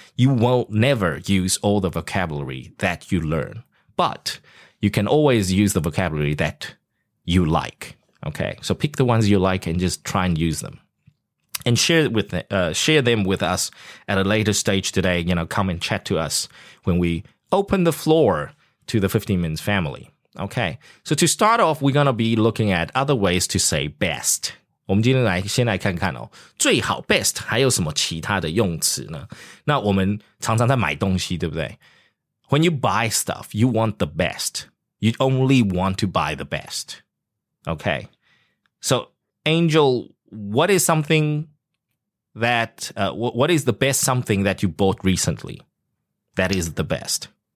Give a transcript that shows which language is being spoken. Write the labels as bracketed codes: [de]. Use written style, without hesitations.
[en] You will never use all the vocabulary that you learn, but you can always use the vocabulary that you like, okay? So pick the ones you like and just try and use them. And share them with us at a later stage today. You know, come and chat to us when we open the floor to the 15 Minutes family. Okay, so to start off, we're going to be looking at other ways to say best. [zh] 我们今天来先来看看哦，最好 best 还有什么其他的用词呢？那我们常常在买东西，对不对？ [en] When you buy stuff, you want the best. You only want to buy the best. Okay, So, Angel, what is something that, what is the best something that you bought recently that is the best?